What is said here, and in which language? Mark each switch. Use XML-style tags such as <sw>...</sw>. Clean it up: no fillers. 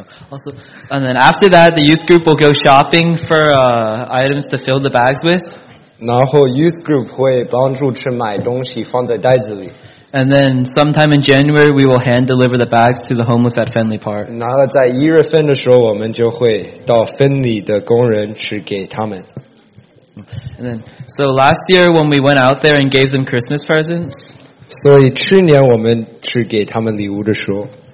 <en>Also, and then after that, the youth group will go shopping for items to fill the bags with.</en> <zh>然后 youth group 会帮助去买东西放在袋子里。</zh> <en>And then sometime in January, we will hand deliver the bags to the homeless at Fenley Park.</en> <zh>然后在1月份的时候，我们就会到芬里的工人去给他们。</zh> <en>And then, so last year when we went out there and gave them Christmas presents,</en> <zh>所以去年我们去给他们礼物的时候,</zh>